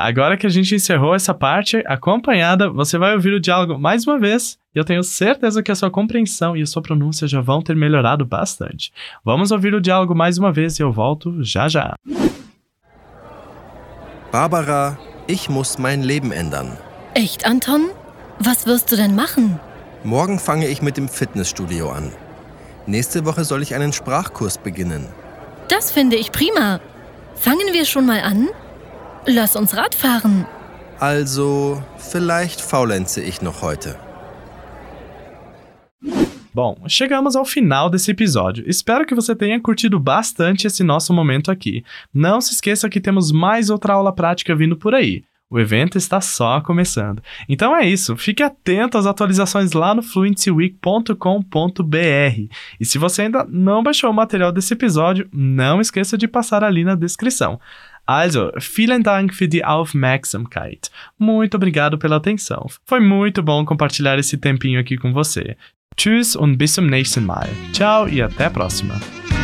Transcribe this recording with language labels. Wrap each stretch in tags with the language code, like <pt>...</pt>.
<pt>Agora que a gente encerrou essa parte acompanhada, você vai ouvir o diálogo mais uma vez e eu tenho certeza que a sua compreensão e a sua pronúncia já vão ter melhorado bastante. Vamos ouvir o diálogo mais uma vez e eu volto já já.</pt> <de>Barbara, ich muss mein Leben ändern. Echt, Anton? Was wirst du denn machen? Morgen fange ich mit dem Fitnessstudio an. Nächste Woche soll ich einen Sprachkurs beginnen. Das finde ich prima. Fangen wir schon mal an? Lass uns Radfahren. Also, vielleicht faulenze ich noch heute.</de> <pt>Bom, chegamos ao final desse episódio. Espero que você tenha curtido bastante esse nosso momento aqui. Não se esqueça que temos mais outra aula prática vindo por aí. O evento está só começando. Então é isso, fique atento às atualizações lá no fluencyweek.com.br. E se você ainda não baixou o material desse episódio, não esqueça de passar ali na descrição.</pt> <de>Also, vielen Dank für die Aufmerksamkeit.</de> <pt>Muito obrigado pela atenção. Foi muito bom compartilhar esse tempinho aqui com você.</pt> <de>Tschüss und bis zum nächsten Mal.</de> <pt>Tchau e até a próxima.</pt>